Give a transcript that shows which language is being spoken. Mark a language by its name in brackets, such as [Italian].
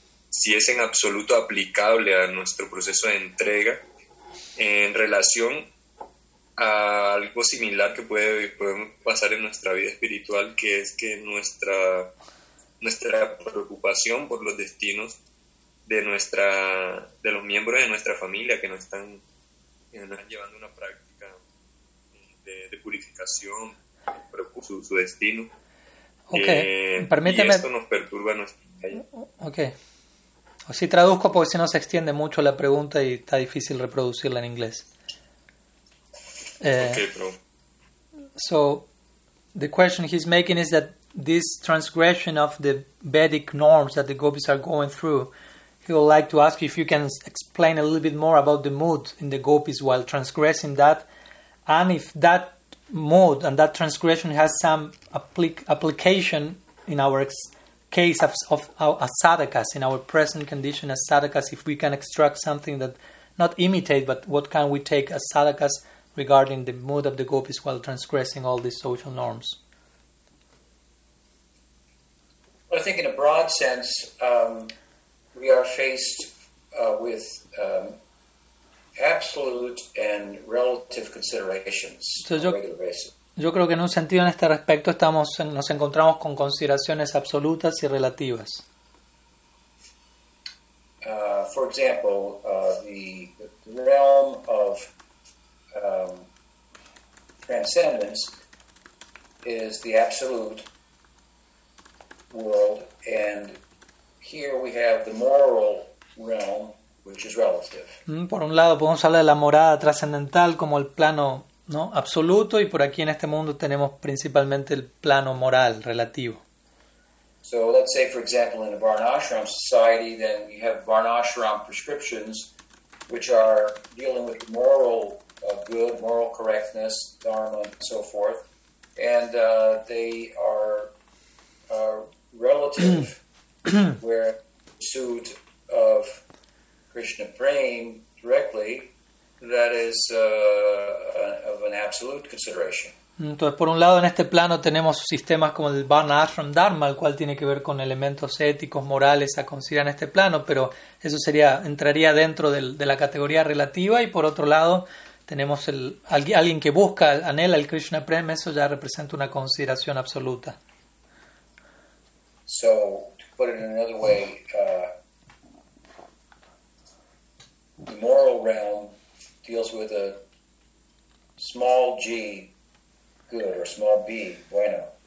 [Spanish] si es en absoluto aplicable a nuestro proceso de entrega en relación a algo similar que podemos pasar en nuestra vida espiritual, que es que nuestra preocupación por los destinos de los miembros de nuestra familia que no están llevando una práctica de purificación, su destino. Okay. Permíteme. Y esto nos perturba nuestro. Okay. Si traduzco, porque si no se extiende mucho la pregunta y está difícil reproducirla en inglés. [English] So the question he's making is that this transgression of the Vedic norms that the gopis are going through He would like to ask you if you can explain a little bit more about the mood in the gopis while transgressing that, and if that mood and that transgression has some application in our case of sadhakas, in our present condition as sadhakas, if we can extract something that, not imitate, but what can we take as sadhakas regarding the mood of the gopis while transgressing all these social norms. Well, I think in a broad sense, we are faced with absolute and relative considerations. [Spanish] So yo creo que en un sentido en este respecto nos encontramos con consideraciones absolutas y relativas. [English] For example, the realm of transcendence is the absolute world, and here we have the moral realm, which is relative. [Spanish] Por un lado podemos hablar de la morada trascendental como el plano, ¿no?, absoluto, y por aquí en este mundo tenemos principalmente el plano moral relativo. [English] So let's say, for example, in a varnashram society, then you have varnashram prescriptions which are dealing with moral good, moral correctness, dharma, and so forth, and they are relative, where pursuit of Krishna praying directly, that is of an absolute consideration. [Spanish] Entonces, por un lado, en este plano tenemos sistemas como el Varnashram Dharma, el cual tiene que ver con elementos éticos, morales, a considerar en este plano, pero eso entraría dentro de la categoría relativa, y por otro lado, tenemos alguien que busca, anhela el Krishna Prem, eso ya representa una consideración absoluta. [English] So, to put it in another way, the moral realm deals with a small g good or small b bueno.